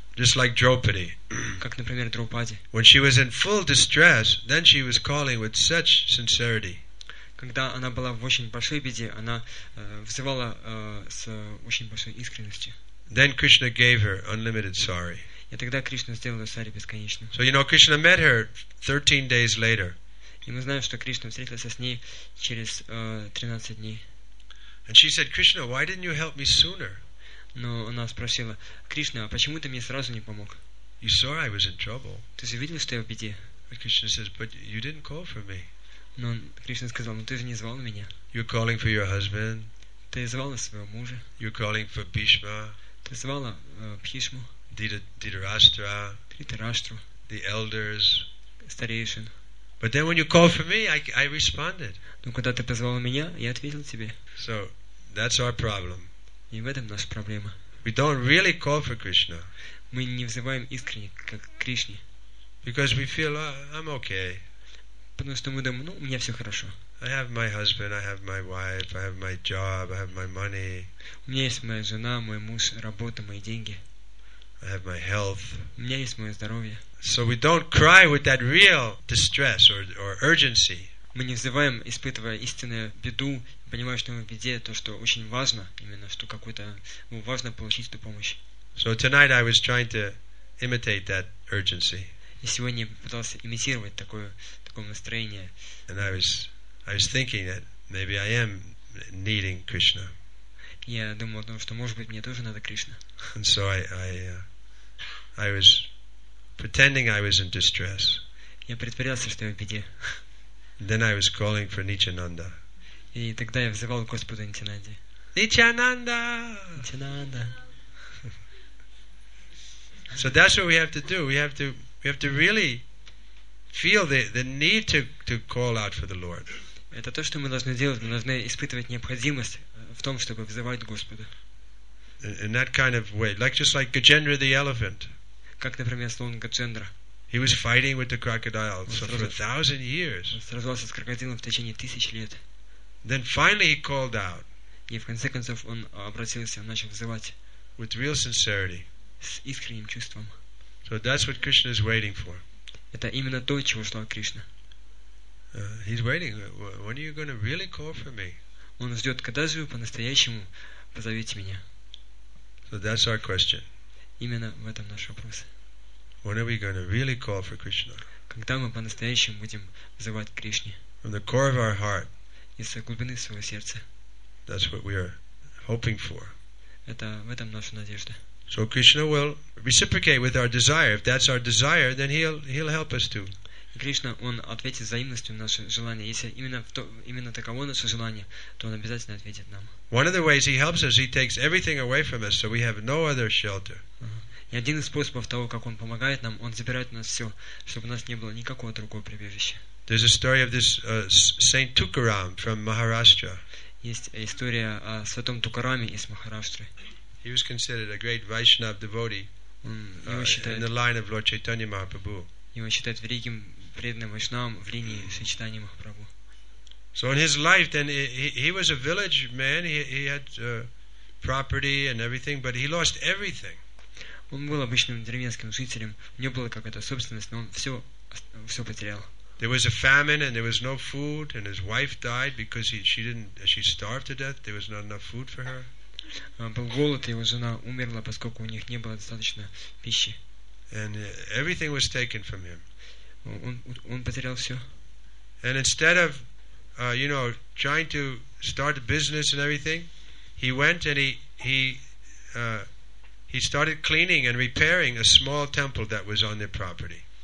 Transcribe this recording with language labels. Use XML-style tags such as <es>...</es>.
<en>Just like Draupadi.</en> <ru>Как, например, Драупади.</ru> <en>When she was in full distress, then she was calling with such sincerity.</en> <ru>Когда она была в очень большой беде, она взывала с очень большой искренностью.</ru> <en>Then Krishna gave her unlimited sari.</en> <ru>И тогда Кришна сделала сари бесконечную.</ru> <en>So you know, Krishna met her 13 days later.</en> <ru>И мы знаем, что Кришна встретился с ней через 13 дней.</ru> <en>And she said, Krishna, why didn't you help me sooner?</en> <ru>Но она спросила, Кришна, а почему ты мне сразу не помог?</ru> <en>You saw I was in trouble.</en> <ru>Ты же видел, что я в беде.</ru> <en>But Krishna says, but you didn't call for me.</en> <ru>Но Кришна сказал, ну ты же не звал меня.</ru> <en>You're calling for your husband.</en> <ru>Ты звала своего мужа.</ru> <en>You're calling for Bhishma.</en> <ru>Ты звала Бхишму. Дхритараштра. Дхритараштру.</ru> <en>The elders.</en> <ru>Старейшин.</ru> <en>But then when you called for me, I responded.</en> <ru>Но когда ты позвал меня, я ответил тебе.</ru> <en>So that's our problem.</en> <ru>И в этом наша проблема.</ru> <en>We don't really call for Krishna.</en> <ru>Мы не взываем искренне к Кришне.</ru> <en>Because we feel I'm okay.</en> <ru>Потому что мы думаем, ну, у меня все хорошо.</ru> <en>I have my husband, I have my wife, I have my job, I have my money.</en> <ru>У меня есть моя жена, мой муж, работа, мои деньги.</ru> <en>I have my health.</en> <ru>У меня есть мое здоровье.</ru> <en>So we don't cry with that real distress or urgency.</en> <ru>Мы не взываем, испытывая истинную беду, понимая, что мы в беде, то, что очень важно, именно, что какое-то, ну, важно получить эту помощь.</ru> <en>So tonight I was trying to imitate that urgency.</en> <ru>И сегодня я пытался имитировать такое, такое настроение.</ru> <en>And I was thinking that maybe I am needing Krishna.</en> <ru>Я думал о том, что, может быть, мне тоже надо Кришна.</ru> <en>And so I was pretending I was in distress.</en> <ru>Я притворялся, что я в беде.</ru> <en>Then I was calling for Nityananda.</en> <ru>И тогда я взывал Господа Нитянанды. Nityananda! Nityananda.</ru> <en>So that's what we have to do. We have to really feel the need to call out for the Lord.</en> <ru>Это то, что мы должны делать. Мы должны испытывать необходимость в том, чтобы взывать Господа.</ru> <en>In that kind of way, like just like Gajendra the elephant.</en> <ru>Как, например, слон Гаджендра.</ru> <en>He was fighting with the crocodile for 1,000 years.</en> <ru>Он сражался с крокодилом в течение тысяч лет.</ru> <en>Then finally he called out.</en> <ru>И в конце концов он обратился, начал взывать.</ru> <en>With real sincerity.</en> <ru>С искренним чувством.</ru> <en>So that's what Krishna is waiting for.</en> <ru>Это именно то, чего ждал Кришна.</ru> <en>He's waiting. When are you going to really call for me?</en> <ru>Он ждет, когда же вы по-настоящему позовете меня.</ru> <en>So that's our question.</en> <ru>Именно в этом наш вопрос.</ru> <en>When are we going to really call for Krishna?</en> <ru>Когда мы по-настоящему будем взывать Кришне?</ru> <en>From the core of our heart.</en> <ru>Из глубины своего сердца.</ru> <en>That's what we are hoping for.</en> <ru>Это в этом наша надежда.</ru> <en>So Krishna will reciprocate with our desire. If that's our desire, then he'll help us too.</en> <ru>Кришна, он ответит взаимностью на наше желание. Если именно таково наше желание, то он обязательно ответит нам.</ru> <en>One of the ways he helps us, he takes everything away from us, so we have no other shelter.</en> <ru>И один из способов того, как он помогает нам, он забирает у нас все, чтобы у нас не было никакого другого прибежища.</ru> <en>There's a story of this Saint Tukaram from Maharashtra.</en> <ru>Есть история о святом Тукараме из Махараштры.</ru> <en>He was considered a great Vaishnav devotee in the line of Lord Chaitanya Mahaprabhu.</en> <ru>Его считают великим преданным вайшнавом в линии сочетания Махапрабху.</ru> <en>So in his life, then he was a village man. He had property and everything, but he lost everything.</en> <ru>Он был обычным деревенским жителем. У него была какая-то собственность, но он все потерял.</ru> <en>There was a famine and there was no food, and his wife died because she starved to death. There was not enough food for her.</en> <ru>Был голод, и его жена умерла, поскольку у них не было достаточно пищи.</ru> <en>And everything was taken from him.</en> <ru>Он потерял все.</ru> <en>And instead of, you know, trying to start a business and everything, he went and he started cleaning and repairing a small temple that was on their property.</en>